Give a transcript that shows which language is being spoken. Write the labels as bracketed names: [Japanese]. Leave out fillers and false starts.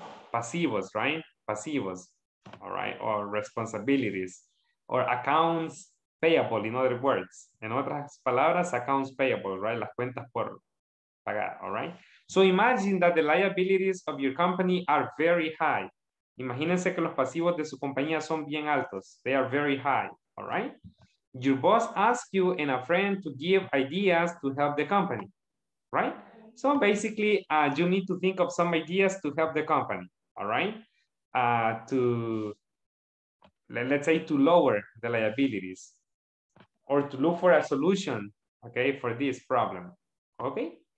[English] Pasivos, right? Pasivos, all right? Or responsibilities, or accounts payable, in other words. [Spanish] En otras palabras, accounts payable, right? Las cuentas por pagar, all right? [English] So imagine that the liabilities of your company are very high. [Spanish] Imagínense que los pasivos de su compañía son bien altos. [English] They are very high, all right? Your boss asks you and a friend to give ideas to help the company, right? So basically, you need to think of some ideas to help the company, all right? Let's say to lower the liabilities or to look for a solution, okay, for this problem, okay?